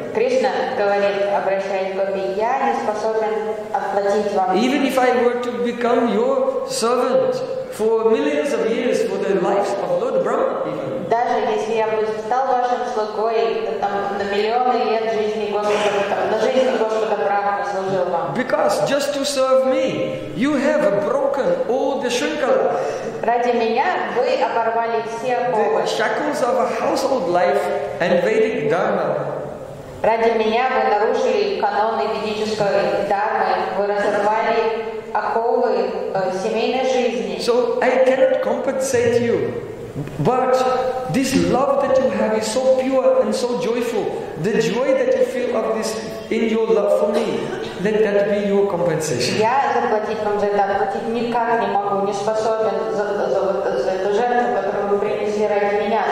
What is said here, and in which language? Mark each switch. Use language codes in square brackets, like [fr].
[ru] Krishna говорит, обращаясь к гопи, я не способен отплатить вам. [en] Even if I were to become your servant for millions of years for the life of Lord Brahma, [ru] даже если я бы стал вашим слугой на миллионы лет жизни Господа, на жизни Господа Брахма служил вам. [en] Because just to serve me, you have broken all the shrinkles. [ru] Ради меня вы оборвали все оковы. [en] The shackles of a household life and Vedic Dharma. [ru] Ради меня вы нарушили каноны ведической дармы, вы разорвали оковы семейной жизни. [en] So I cannot compensate you. But this love that you have is so pure and so joyful. The joy that you feel of this in your love for me, let that be your compensation. [ru] Я заплатить вам за это, платить никак не могу, не способен за эту жертву, которую вы принесли ради меня.